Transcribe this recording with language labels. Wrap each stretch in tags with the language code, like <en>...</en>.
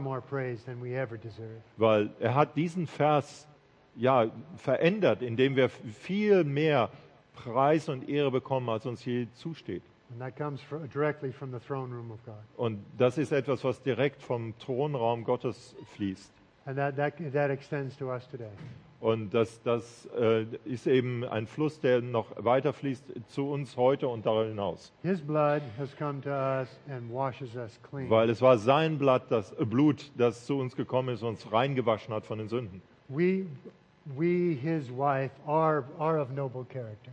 <de>Weil er hat diesen Vers ja verändert, indem wir viel mehr Preis und Ehre bekommen, als uns je zusteht.</de> <en>And that comes directly from the throne room of God.</en> <de>Und das ist etwas, was direkt vom Thronraum Gottes fließt.</de> <en>And that extends to us today.</en> <de>Und das ist eben ein Fluss, der noch weiter fließt zu uns heute und darüber hinaus.</de> <en>His blood has come to us and washes us clean.</en> <de>Weil es war sein Blut, das zu uns gekommen ist und uns reingewaschen hat von den Sünden.</de> <en>We his wife are of noble character.</en>